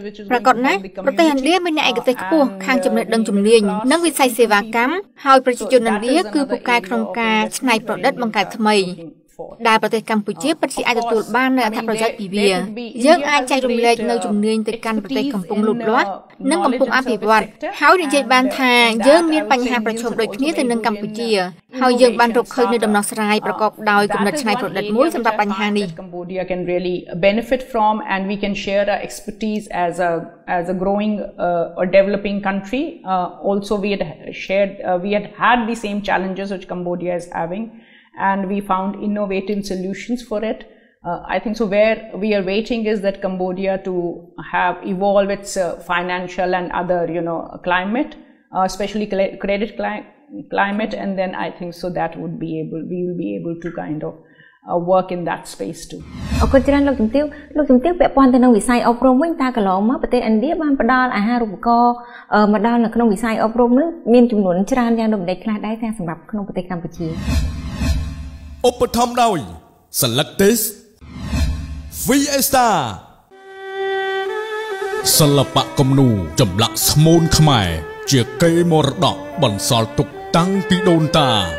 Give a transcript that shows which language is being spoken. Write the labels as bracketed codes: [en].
[km] ប្រកបណាប្រទេសឥណ្ឌាមានអ្នកឯកទេសខ្ពស់ខាងចំណេះដឹងជំនាញនិងវិស័យសេវាកម្មហើយប្រជាជនឥណ្ឌាគឺពូកែក្នុងការច្នៃប្រឌិតបង្កើតថ្មីដែលប្រទេសកម្ពុជាពិតជាអាចទទួលបាននូវអត្ថប្រយោជន៍ពីវាយើងអាចចែករំលែកនូវជំនាញទៅកាន់ប្រទេសកំពុងលូតលាស់និងកំពុងអភិវឌ្ឍហើយនិយាយបានថាយើងមានបញ្ហាប្រឈមដូចគ្នាទៅនឹងកម្ពុជាហើយយើងបានរកឃើញនូវដំណោះស្រាយប្រកបដោយគំនិតច្នៃប្រឌិតមួយសម្រាប់បញ្ហានេះ [en] Cambodia can really benefit from and we can share our expertise as a growing or developing country also we had the same challenges which Cambodia is having and we found innovative solutions for it I think so where we are waiting is that Cambodia to have evolve its financial and other you know climate especially credit climate and then I think so that would be able we will be able to kind of work in that space too [km] អកុសលលោកជំទាវលោកជំទាវពាក់ព័ន្ធទៅនឹងវិស័យអប់រំវិញតាកន្លងមកប្រទេសឥណ្ឌាបានផ្ដល់អាហារូបករណ៍មកដល់នៅក្នុងវិស័យអប់រំនេះមានចំនួនច្រើនយ៉ាងដូចម្ដេចខ្លះដែរតែសម្រាប់ក្នុងប្រទេសកម្ពុជា ឧបត្ថម្ភដោយ Selectis Fiesta សិល្បៈគំនូរចម្លាក់ស្មូនខ្មែរជាកេរមរតកបន្សល់ទុកតាំងពីដូនតា